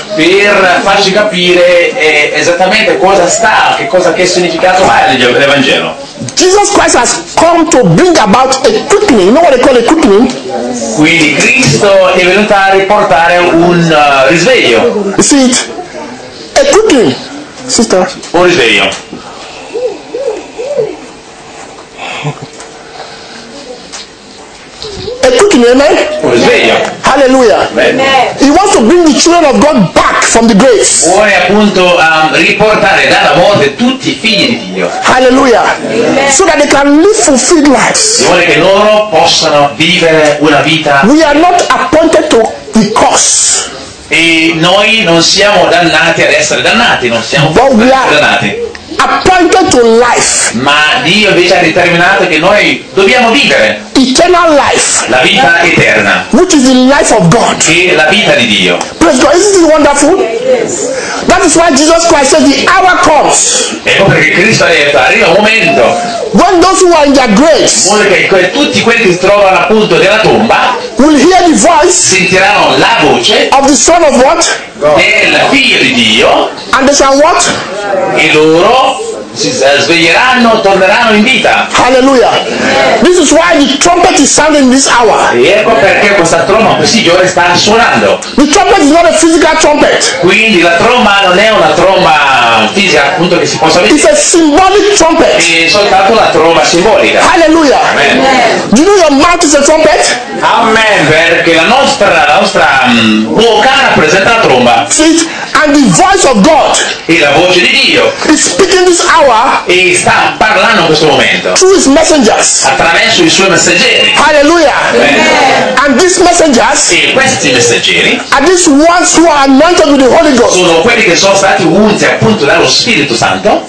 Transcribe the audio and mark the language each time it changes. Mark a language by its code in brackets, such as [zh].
[it] Per farci capire esattamente cosa sta, che significato ha l'Evangelo. [en] Jesus Christ has come to bring about a quickening. You know what they call a quickening? [it] Quindi Cristo è venuto a riportare un risveglio. [en] See it? A quickening, sister. [it] Un risveglio. [en] A quickening, amen? [it] Un risveglio. [en] Hallelujah. Amen. He wants to bring the children of God back from the graves. [it] Vuole appunto riportare dalla morte tutti I figli di Dio. [en] Hallelujah. Amen. So that they can live fulfilled lives. [it] Vuole che loro possano vivere una vita. [en] We are not appointed to the curse. [it] E noi non siamo dannati ad essere dannati, non siamo dannati. [en] Appointed to life. [it] Ma Dio invece ha determinato che noi dobbiamo vivere. [en] Eternal life. [it] La vita eterna. [en] Which is the life of God. [it] E la vita di Dio. [en] Praise God, isn't it wonderful? Yes. That is why Jesus Christ says the hour comes. [it] Ecco perché Cristo ha detto arriva un momento. [en] When those who are in their graves. [it] Che tutti quelli che si trovano appunto nella tomba. [en] Will hear the voice. [it] Sentiranno la voce. [en] Of the Son of what? [it] Del figlio di Dio. [en] And they shall what? [it] E loro si sveglieranno, torneranno in vita. [en] Hallelujah. This is why the trumpet is sounding this hour. [it] E ecco perché questa tromba questi giorni sta suonando. [en] The trumpet is not a physical trumpet. [it] Quindi la tromba non è una tromba fisica appunto che si possa vedere. [en] It's a symbolic trumpet. [it] È soltanto la tromba simbolica. [en] Hallelujah. Amen. You know your mouth is a trumpet? [it] Amen. Perché la nostra bocca rappresenta la tromba. [en] See it? And the voice of God. [it] E la voce di Dio. [en] It's speaking this hour. [it] E sta parlando in questo momento. [en] Through his messengers. [it] Attraverso I suoi messaggeri. [en] Hallelujah. Amen. And these messengers. [it] E questi messaggeri. [en] Are these ones who are anointed with the Holy Ghost. [it] Sono quelli che sono stati unti appunto dallo Spirito Santo.